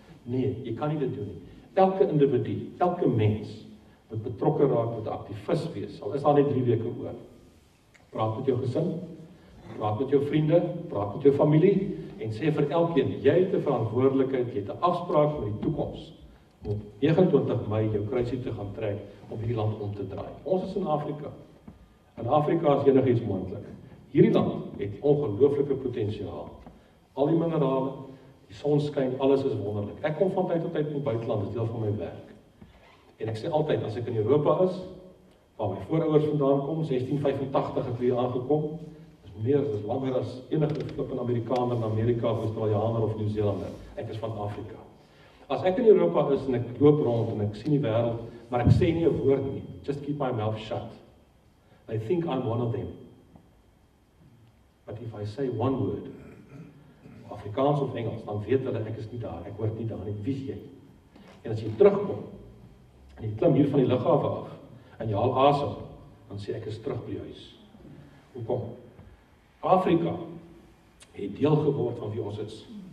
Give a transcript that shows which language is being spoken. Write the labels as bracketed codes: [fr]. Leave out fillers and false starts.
[af] Nee, jy kan nie dit doen nie. Elke individu, elke mens wat betrokke raak, wat aktivis wees, al is daar net 3 weke oor. Praat met jou gesin, praat met jou vriende, praat met jou familie en sê vir elkeen, jy het 'n verantwoordelikheid, jy het 'n afspraak vir die toekoms. Op 29 Mei jou kruisie te gaan trek om hierdie land om te draai. Ons is in Afrika. In Afrika is enigiets moontlik. Hierdie land het ongelooflike potensiaal. Al die minerale, die son skyn, alles is wonderlik. Ek kom van tyd tot tyd in buiteland, dit is deel van my werk. En ek sê altyd, as ek in Europa is, waar my voorouers vandaan kom, 1685 het hier aangekom, is meer, is langer as enige flippende Amerikaner in Amerika, of Australianer of Nieu-Zeelander. Ek is van Afrika. As ek in Europa is en ek loop rond en ek sien die wêreld, maar ek sê nie 'n woord nie. [en] Just keep my mouth shut. I think I'm one of them. But if I say one word, [af] Afrikaans of Engels, dan weet hulle ek is nie daar, ek hoort nie daar nie. Wie is jy? En as jy terugkom en jy klim hier van die lughawe af en jy haal asem, dan sê ek is terug by huis. Hoekom? Afrika het deel geword van wie ons is.